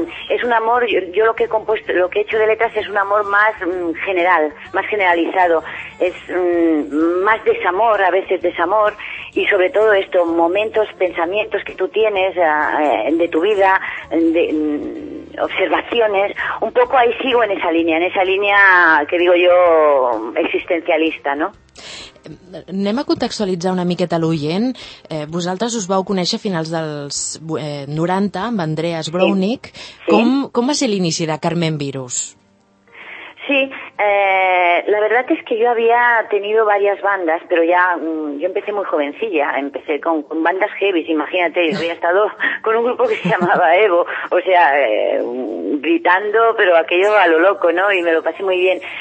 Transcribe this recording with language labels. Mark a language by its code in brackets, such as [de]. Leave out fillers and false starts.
[es] Es un amor, yo lo que he compuesto, lo que he hecho de letras es un amor más general, más generalizado, es más desamor, a veces desamor, y sobre todo esto, momentos, pensamientos que tú tienes de tu vida, de observaciones, un poco ahí sigo en esa línea que digo yo existencialista, ¿no? [ca] Anem a contextualitzar una miqueta l'oient. Vosaltres us vau conèixer a finals dels 90 amb Andreas Brownick. Sí. Com va ser l'inici de Carmen Virus? [es] Sí, la verdad es que yo había tenido varias bandas, pero ya yo empecé muy jovencilla, empecé con bandas heavy, imagínate, yo había estado con un grupo que se llamaba Evo, o sea, gritando, pero aquello a lo loco, ¿no? Y me lo pasé muy bien.